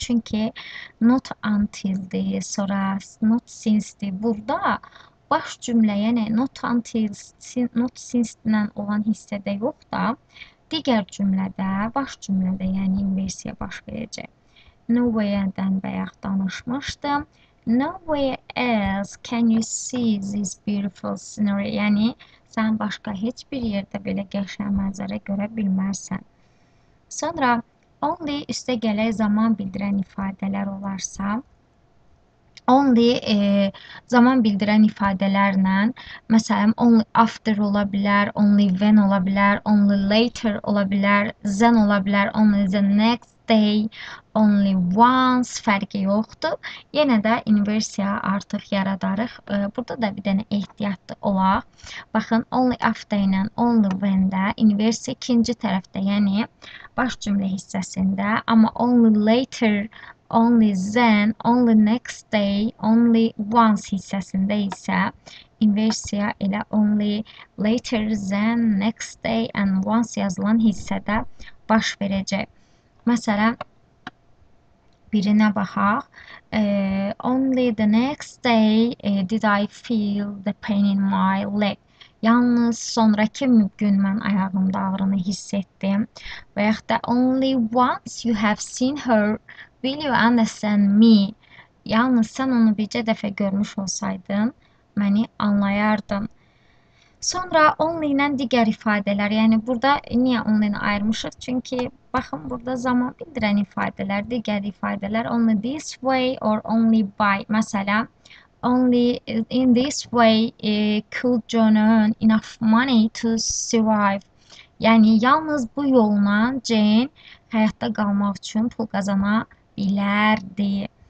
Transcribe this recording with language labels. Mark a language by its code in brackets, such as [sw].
[az] Çünki not until-dir, sonra not since-dir. Burada baş cümlə, yəni not until, not since-dən olan hissədə yox da, digər cümlədə, baş cümlədə, yəni inversiya baş verəcək. Nowhere-dən bayaq danışmışdım. [en] Nowhere else can you see this beautiful scenery? [az] Yəni, sən başqa heç bir yerdə belə qəşəng mənzərə görə bilməzsən. Sonra, only üstə gələk zaman bildirən ifadələr olarsa, only zaman bildirən ifadələrlə, məsələn, only after ola bilər, only when ola bilər, only later ola bilər, then ola bilər, only the next day, only once fərqi yoxdur. Yenə də inversiya artıq yaradarıq. Burada da bir dənə ehtiyatlı olaq. Baxın, only after ilə only when-də inversiya ikinci tərəfdə, yəni baş cümlə hissəsində, amma only later, only then, only next day, only once hissəsində isə inversiya ilə only later, then, next day and once yazılan hissədə baş verəcək. Məsələn, birinə baxaq. [en] Only the next day did I feel the pain in my leg. [az] Yalnız sonraki gün mən ayağımda ağrını hiss etdim. Və yaxud da [en] only once you have seen her, will you understand me? [az] Yalnız sən onu bircə dəfə görmüş olsaydın, məni anlayardın. Sonra only ilə digər ifadələr, yəni burada niyə only ilə ayırmışıq? Çünki baxın, burada zaman bildirən ifadələr, digər ifadələr only this way or only by. [en] Məsələn, only in this way could John earn enough money to survive. [az] Yəni, yalnız bu yoluna Jane həyatda qalmaq üçün pul qazana bilərdi.